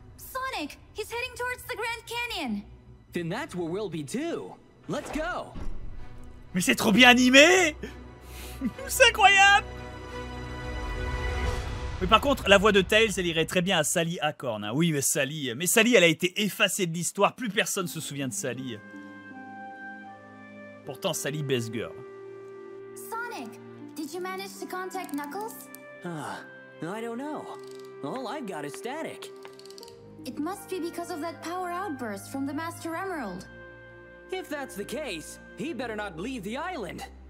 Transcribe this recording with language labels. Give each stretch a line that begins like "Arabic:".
English: Sonic, he's heading towards the Grand Canyon. Then that's where we'll be too. Let's go.
French: Mais c'est trop bien animé. C'est incroyable. Mais par contre, la voix de Tails, elle irait très bien à Sally Acorn. Hein. Oui, mais Sally. Mais Sally, elle a été effacée de l'histoire. Plus personne se souvient de Sally. Pourtant, Sally
English: Best Girl. Sonic, did you manage to contact Knuckles? I don't know. All I've got is static. It must be because of that power outburst from the Master Emerald. If that's the case, he better not leave the island.